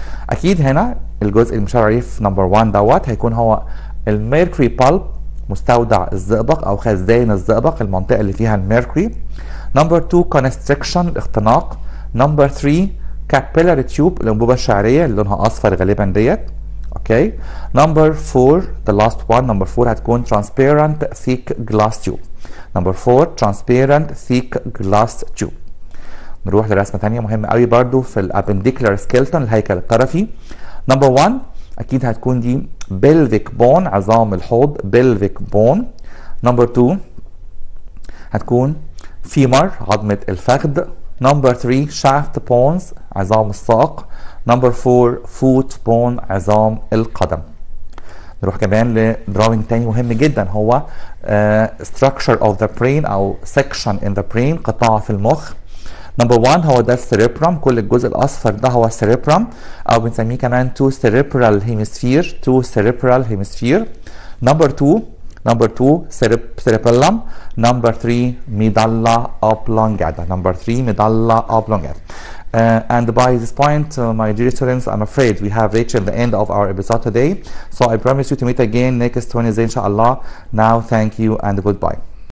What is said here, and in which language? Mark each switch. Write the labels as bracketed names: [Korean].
[Arabic] اكيد هنا الجزء اللي مش عارف نمبر 1 دوت هيكون هو الميركري بالب، مستودع الزئبق او خزان الزئبق، المنطقة اللي فيها الميركري. نمبر 2 constriction اختناق. نمبر 3 capillary tube الانبوبه الشعريه اللي لونها اصفر غالبا ديت. [English] Okay number 4 the last one number 4 هتكون transparent thick glass tube. Number 4 transparent thick glass tube. [Arabic] نروح لرسمه ثانيه مهمه قوي برضو في الابنديكولار سكيلتون الهيكل الطرفي. نمبر 1 اكيد هتكون دي pelvic bone عظام الحوض، pelvic bone. نمبر 2 هتكون femur عظمه الفخذ. نمبر 3 shaft bones عظام الساق. نمبر 4 foot bone عظام القدم. نروح كمان لدراوينج تاني مهم جدا هو [English] structure of the brain [Arabic] او [English] section in the brain [Arabic] قطاع في المخ. نمبر 1 هو ده السيريبرم، كل الجزء الاصفر ده هو السيريبرم او بنسميه كمان two cerebral hemisphere، two cerebral hemisphere. نمبر 2 نمبر 2 cerebellum. [English] Number 3 medulla oblongata. Number 3 medulla oblongata. And by this point, my dear students, I'm afraid we have reached the end of our episode today. So I promise you to meet again next Wednesday, inshallah. Now, thank you and goodbye.